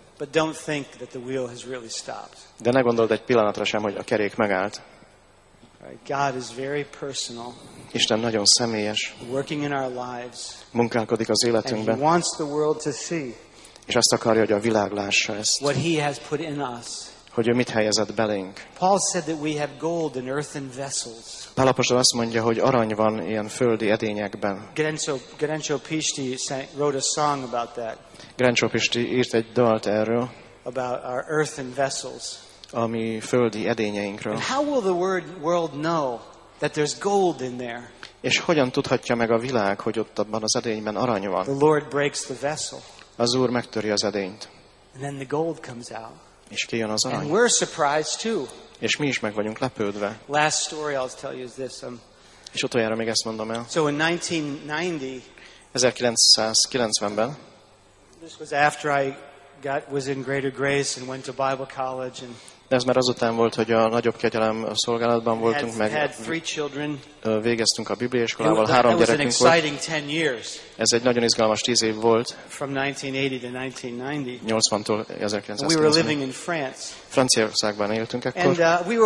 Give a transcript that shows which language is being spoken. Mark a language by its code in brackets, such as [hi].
[en] But don't think that the wheel has really stopped. [hu] De ne gondold egy pillanatra sem, hogy a kerék megállt. [en] God is very personal. [hu] Isten nagyon személyes. [en] Working in our lives. [hu] Munkálkodik az életünkben. [en] And he wants the world to see. [hu] És azt akarja, hogy a világ lássa ezt. [en] What he has put in us. [hu] Hogy ő mit helyezett belénk. [en] Paul said that we have gold in earthen vessels. [hu] Pál apostol azt mondja, hogy arany van ilyen földi edényekben. [en] Gerencsó Pisti wrote a song about that. [hu] Gerencsó Pisti írt egy dalt erről. [en] About our earthen vessels. [hu] A mi földi edényeinkről. [en] And how will the world know that there's gold in there? [hu] És hogyan tudhatja meg a világ, hogy ott abban az edényben arany van? [en] The Lord breaks the vessel. [hu] Az Úr megtöri az edényt. [en] And then the gold comes out. [hu] És kijön az arany. [en] And we're surprised too. [hu] És mi is meg vagyunk lepődve. [en] Last story I'll tell you is this. [hu] És utoljára még ezt mondom el. [en] So in 1990. [hu] 1990-ben. [en] This was after I was in Greater Grace and went to Bible College and. [hu] De ez már azután volt, hogy a nagyobb kegyelem szolgálatban voltunk, meg végeztünk a bibliaiskolával, három gyerekünk volt. Ez egy nagyon izgalmas 10 év volt. 80-tól 1990-ig. Franciaországban éltünk ekkor.